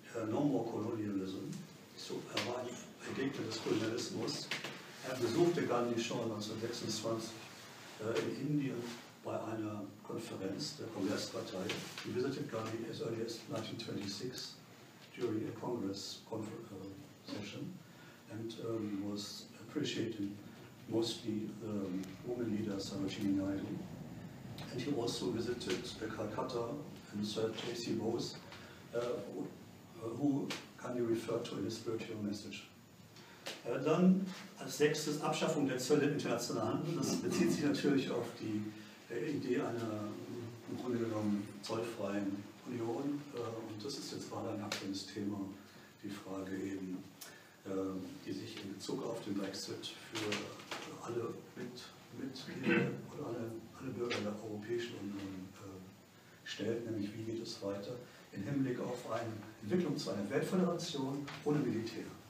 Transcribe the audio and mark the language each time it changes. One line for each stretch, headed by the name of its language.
English: No more colonialism,
German: so er war ein Gegner des Kolonialismus. Er besuchte Gandhi schon 1926 in Indien bei einer Konferenz der Kongresspartei.
English: He visited Gandhi as early as 1926 during a Congress session and was appreciated mostly the woman leader Sarojini Naidu. And he also visited Calcutta and Sir J.C. Bose, who can you refer to in his spiritual message?
German: Dann als sechstes Abschaffung der Zölle im internationalen Handel. Das bezieht sich natürlich auf die Idee einer im Grunde genommen zollfreien Union. Und das ist jetzt gerade ein aktuelles Thema, die Frage eben, die sich in Bezug auf den Brexit für alle Mitglieder oder alle Bürger der Europäischen Union stellt, nämlich wie geht es weiter im Hinblick auf eine Entwicklung zu einer Weltföderation ohne Militär.